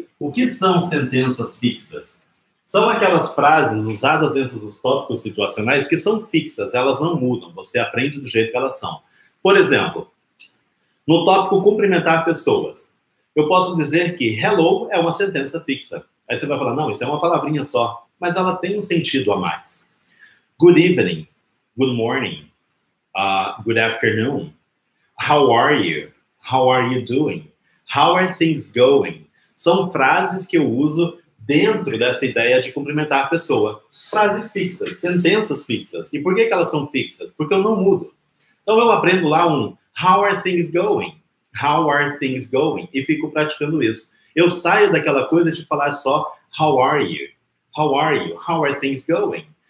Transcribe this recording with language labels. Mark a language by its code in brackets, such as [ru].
[pt] O que são sentenças fixas? São aquelas frases usadas dentro dos tópicos situacionais que são fixas, elas não mudam, você aprende do jeito que elas são. Por exemplo, no tópico cumprimentar pessoas, eu posso dizer que hello é uma sentença fixa. Aí você vai falar, não, isso é uma palavrinha só. Mas ela tem um sentido a mais. [en] Good evening, good morning, good afternoon, how are you, how are you doing, how are things going? [pt] São frases que eu uso dentro dessa ideia de cumprimentar a pessoa. Frases fixas, sentenças fixas. E por que elas são fixas? Porque eu não mudo. Então eu aprendo lá um [en] how are things going, [pt] how are things going, e fico praticando isso. Eu saio daquela coisa de falar só [en] how are you. How are you? How are things going?